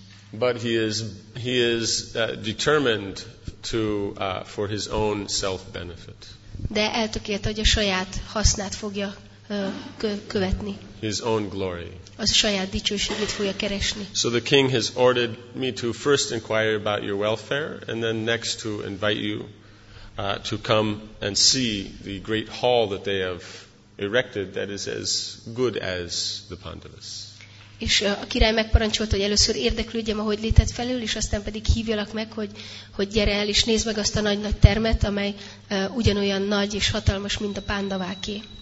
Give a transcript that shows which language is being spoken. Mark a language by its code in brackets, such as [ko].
[en] But he is determined to for his own self benefit. [hu] De eltökélt, hogy a saját hasznát fogja követni. [en] His own glory. [hu] Az saját dicsőségét fogja keresni. [en] So the king has ordered me to first inquire about your welfare and then next to invite you to come and see the great hall that they have erected that is as good as the Pandavas. [hu] És a király megparancsolta, hogy először érdeklődjem, ahogy létett felül, és aztán pedig hívjalak meg, hogy gyere el, és nézd meg azt a nagy-nagy termet, amely ugyanolyan nagy és hatalmas, mint a Pandaváké.